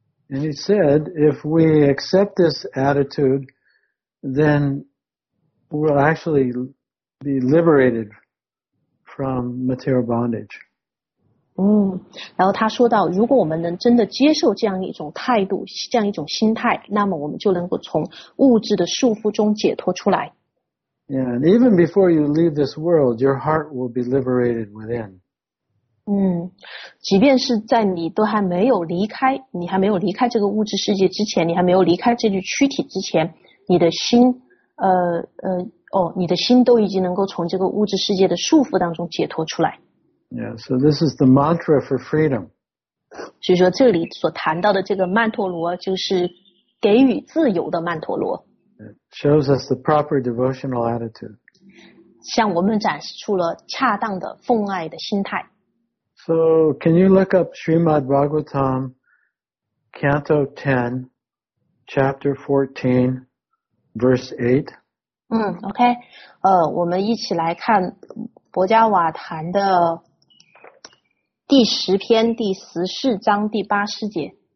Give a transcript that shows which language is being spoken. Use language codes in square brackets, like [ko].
[en] And he said, if we accept this attitude, then we'll actually be liberated from material bondage. [zh] 然后他说到，如果我们能真的接受这样一种态度，这样一种心态，那么我们就能够从物质的束缚中解脱出来。 [en] Yeah, and even before you leave this world, your heart will be liberated within. [zh] 即便是在你都还没有离开，你还没有离开这个物质世界之前，你还没有离开这具躯体之前，你的心都已经能够从这个物质世界的束缚当中解脱出来。 [en] Yeah, so this is the mantra for freedom. [zh] 所以说这里所谈到的这个曼陀罗就是给予自由的曼陀罗。 [en] It shows us the proper devotional attitude. [zh] 向我们展示出了恰当的奉爱的心态。 [en] So can you look up Srimad Bhagavatam, Canto 10, Chapter 14, Verse 8? [zh] OK, 我们一起来看博迦瓦坛的第十篇第十四章第八十节。